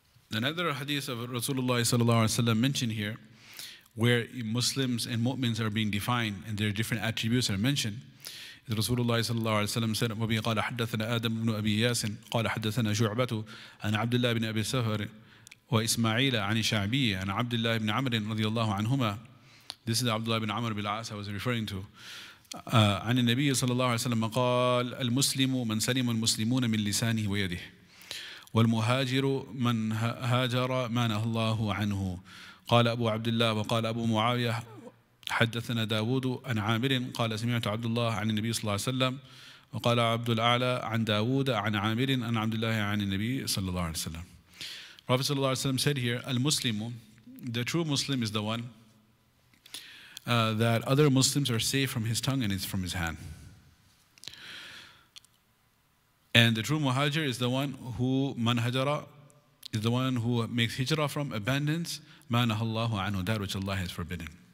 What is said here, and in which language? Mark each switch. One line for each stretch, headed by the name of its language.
English: Another hadith of Rasulullah sallallahu alaihi wasallam mentioned here, where Muslims and mu'mins are being defined and their different attributes are mentioned.
Arabic: رسول الله صلى الله عليه وسلم said, وبي قال حدثنا آدم بن أبي ياسن قال حدثنا شعبة عن عبد الله بن أبي سفر وإسماعيل عن شعبية عن عبد الله بن عمر رضي الله عنهما.
English: This is Abdullah bin Amr bin Al-As I was referring to.
Arabic: عن النبي صلى الله عليه وسلم قال المسلم من سلم المسلمون من لسانه ويده والمهاجر من هاجر ما نهى الله عنه. قال أبو عبد الله وقال أبو معاوية حدثنا داود عن عامر قال سمعت عبد الله عن النبي صلى الله عليه وسلم وقال عبد الأعلى عن داود عن عامر عن عبد الله عن النبي صلى الله عليه وسلم.
English: Prophet صلى الله عليه وسلم said here, المسلم, the true Muslim is the one that other Muslims are safe from his tongue and it's from his hand. And the true muhajir is the one who manhajara, is the one who makes hijra from, abandons, ma naha Allahu anhu, that which Allah has forbidden.